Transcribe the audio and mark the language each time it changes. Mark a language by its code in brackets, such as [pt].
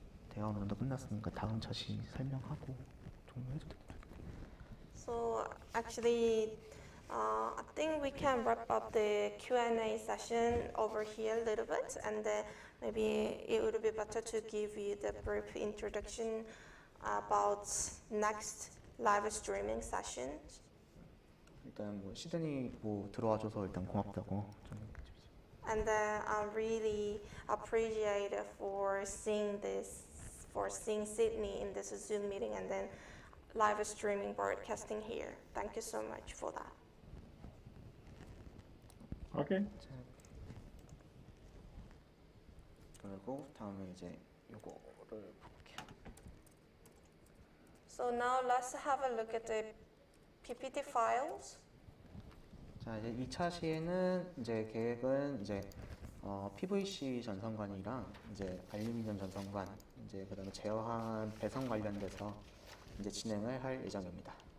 [ko] 대화문도 끝났으니까 다음 자신 설명하고 종료해도 되겠죠. [en] So actually, I think we can wrap up the Q&A session over here a little bit, and then maybe it would be better to give you the brief introduction about next live streaming session. [ko] 일단 뭐 시드니 뭐 들어와줘서 일단 고맙다고. [en] And then I really appreciate for seeing this. For seeing Sydney in this Zoom meeting and then live streaming broadcasting here. Thank you so much for that. Okay. [ko] 그리고 다음에 이제 요거를 볼게요. [en] So now let's have a look at the PPT files. [ko] 자 이제 2차 시에는 이제 계획은 이제 PVC 전선관이랑 이제 알루미늄 전선관. 이제 그다음에 제어한 배선 관련돼서 이제 진행을 할 예정입니다.